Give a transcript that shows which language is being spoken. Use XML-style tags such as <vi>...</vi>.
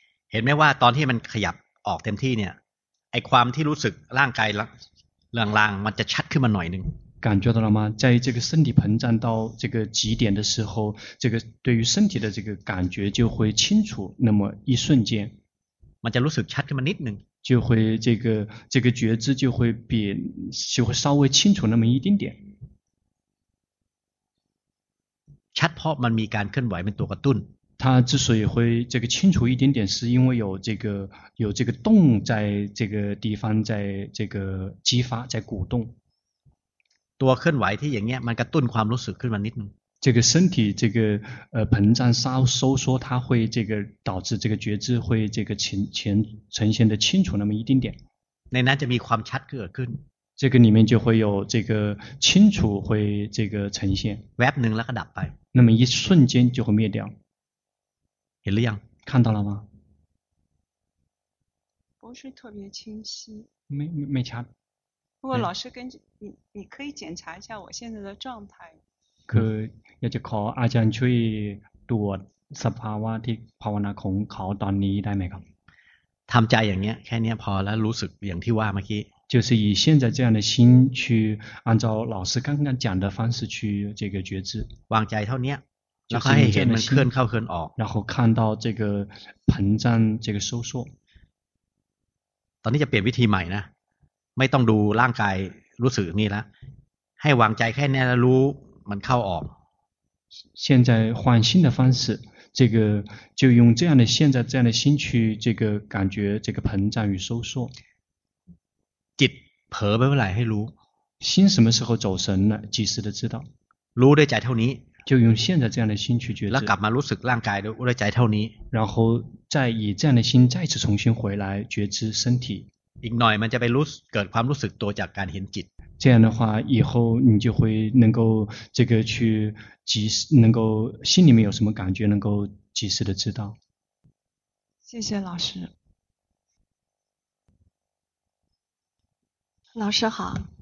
<th>เห็นไหมว่าตอนที่มันขยับออกเต็มที่เนี่ยไอ้ความที่รู้สึกร่างกายเลื่อนๆมันจะชัดขึ้นมาหน่อยนึง</th> <zh>感觉到了吗在这个身体膨胀到这个极点的时候这个对于身体的这个感觉就会清楚那么一瞬间</zh> <th>มันจะรู้สึกชัดขึ้นมานิดนึง</th> <zh>就会这个觉知就会稍微清楚那么一丁点</zh> <th>ดเพราะมันมีการเคลื่อนไหวเป็นตัวกระตุ้น</th> <zh>他之所以会这个清楚一点点，是因为有这个动在这个地方，在这个激发，在鼓动。</zh> <th>ตัวเคลื่อนไหวที่อย่างเงี้ยมันกระตุ้นความรู้สึกขึ้นมานิดนึง</th> <zh>这个身体这个膨胀稍收缩，它会这个导致这个觉知会这个前呈现的清楚那么一丁点。</zh> <th>ในนั้นจะมีความชัดเกิดขึ้น</th> <zh>这个里面就会有这个清楚会这个呈现。</zh> <th>แวบหนึ่งแล้วก็ดับไป</th> <zh>那么一瞬间就会灭掉。</zh> <th>เห็นหรือยัง</th> <zh>看到了吗不是特别清晰没</zh> <th>ชัด</th> <zh>不过老师跟你可以检查一下我现在的状态</zh> <th>คืออยากจะขออาจารย์ช่วยตรวจสภาวะที่ภาวนาของเขาตอนนี้ได้ไหมครับ ทำใจอย่างเนี้ยแค่เนี้ยพอแล้วรู้สึกอย่างที่ว่าเมื่อกี้</th> <zh>就是以现在这样的心去按照老师刚刚讲的方式去这个觉知</zh> <th>วางใจเท่านี้</th> <zh>然后看见它</zh> <th>เคลื่อนเข้าเคลื่อนออก</th> <zh>然后看到这个膨胀这个收缩</zh> <th>ตอนนี้จะเปลี่ยนวิธีใหม่นะไม่ต้องดูร่างกายรู้สึกนี่แล้วให้วางใจแค่นี้แล้วรู้มันเข้าออก</th> <zh>现在换新的方式这个就用这样的现在这样的心去这个感觉这个膨胀与收缩</zh> <th>จิตเผลอไปเมื่อไหร่ให้รู้</th> <zh>心什么时候走神了及时的知道</zh> <th>รู้ได้ใจเท่านี้</th> <zh>就用现在这样的心去觉知，</zh> <th>แล้วกลับมารู้สึกร่างกายด้วยใจเท่านี้</th> <zh>然后再以这样的心再次重新回来觉知身体</zh> <th>อีกหน่อยมันจะไปรู้เกิดความรู้สึกตัวจากการเห็นจิต</th> <zh>这样的话以后你就会能够这个去及时能够心里面有什么感觉能够及时的知道谢谢老师老师好</zh>